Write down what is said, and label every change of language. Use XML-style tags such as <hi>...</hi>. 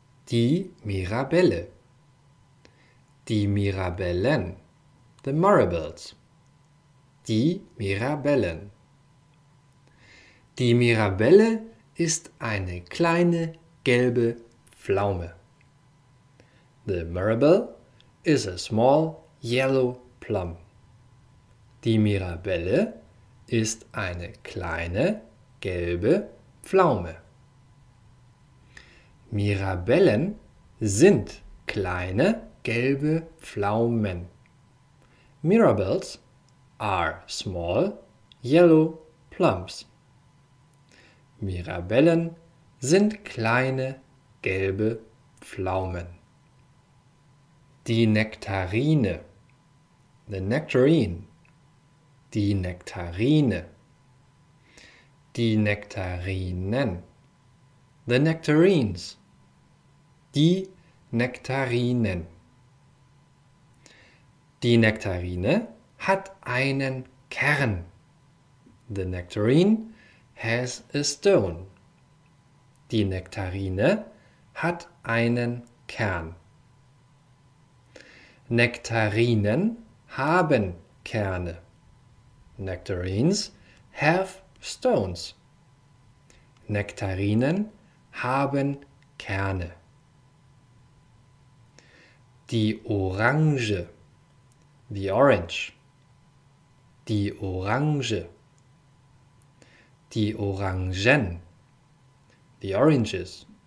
<de>Die Mirabelle. Die Mirabellen.</de> <en>The marables.</en> <de>Die Mirabellen. Die Mirabelle ist eine kleine gelbe Pflaume.</de> <en>The marable is a small yellow plum.</en> <de>Die Mirabelle ist eine kleine gelbe Pflaume. Mirabellen sind kleine gelbe Pflaumen.</de> <en>Mirabelles are small yellow plums.</en> <de>Mirabellen sind kleine gelbe Pflaumen. Die Nektarine.</de> <en>The nectarine.</en> <de>Die Nektarine. Die Nektarinen.</de> <en>The nectarines.</en> <de>Die Nektarinen. Die Nektarine hat einen Kern.</de> <en>The nectarine has a stone.</en> <de>Die Nektarine hat einen Kern. Nektarinen haben Kerne.</de> <en>Nectarines have stones.</en> <de>Nektarinen haben Kerne. Die Orange.</de> <en>The orange.</en> <de>Die Orange. Die Orangen.</de> <en>The oranges.</en>